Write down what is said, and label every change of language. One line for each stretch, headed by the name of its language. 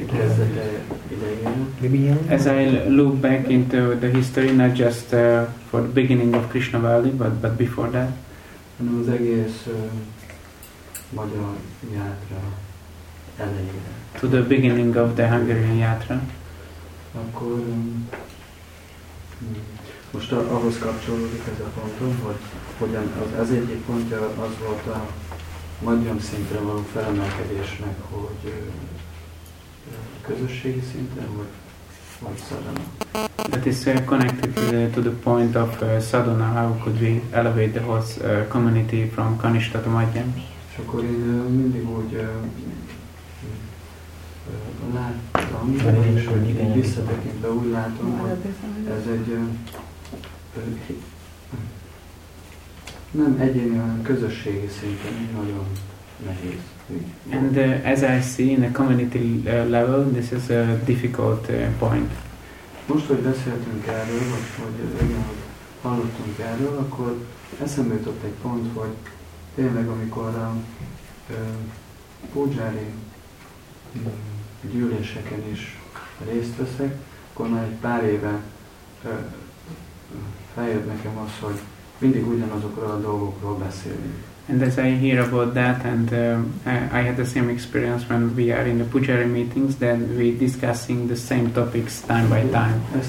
English: As I look back into the history, not just for the beginning of Krishna Valley, but before that,
Hungarian: hanem az egész magyar yatra elejére.
English: To the beginning of the Hungarian yatra.
Hungarian: Akkor most ahhoz kapcsolódik ez a pontom, hogy hogyan az egyik pontja az volt a magyar szintre való felemelkedésnek, hogy közösségi szinten, vagy szadana.
English: That is connected to the point of sadhana, how could we elevate the whole community from kanishta to madhyam.
Hungarian: És akkor én mindig úgy láttam, és hogy visszatekintve úgy látom, hogy ez egy nem egyéni, hanem közösségi szinten nagyon nehéz.
English: And as I see in a community level, this is a difficult point.
Hungarian: Most, hogy beszéltünk erről, hogy hallottunk erről, akkor eszembe jutott egy pont, hogy tényleg, amikor a pujári gyűléseken is részt veszek, akkor már egy pár éve feljött nekem az, hogy mindig ugyanazokról a dolgokról beszélünk.
English: And as I hear about that, and I had the same experience when we are in the pujari meetings, then we discussing the same topics time by time.